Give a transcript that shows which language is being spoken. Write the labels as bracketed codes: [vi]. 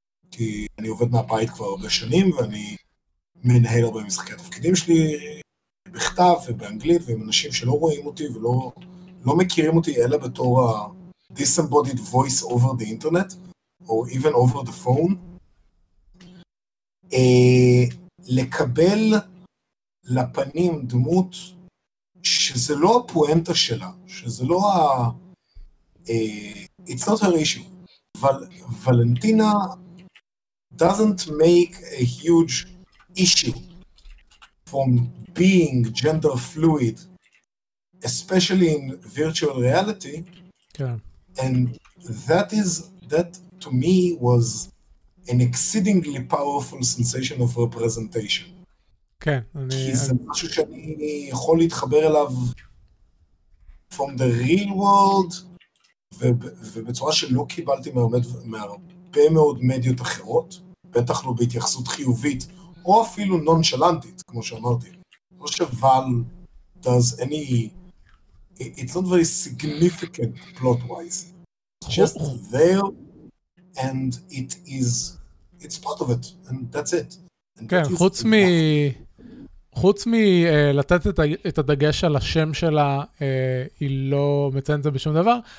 [he] כי אני עובד מהבית כבר הרבה שנים, ואני מנהל הרבה משחקי התפקידים שלי, בכתב ובאנגלית, ועם אנשים שלא רואים אותי ולא מכירים אותי, אלא בתור ה- [en] disembodied voice over the internet, or even over the phone. [he] לקבל לפנים דמות שזה לא הפואנטה שלה, שזה לא ה... [en] it's not her issue, [he] אבל [en] ולנטינה... doesn't make a huge issue from being gender fluid, especially in virtual reality. Yeah. And that is, that to me was an exceedingly powerful sensation of representation. [he] כן, אני... כי זה משהו שאני יכול להתחבר אליו [en] from the real world, [he] ובצורה שלא קיבלתי מהרבה מאוד מדיות אחרות, בטח לא בהתייחסות חיובית, או אפילו נונשלנטית, כמו שאמרתי. לא [en] שוואל does any... it's not very significant plot-wise. It's just there, and it is... it's part of it, and that's it. [he] כן, חוץ מ... חוץ מלתת את הדגש על השם שלה, היא לא מציינת זה בשום דבר.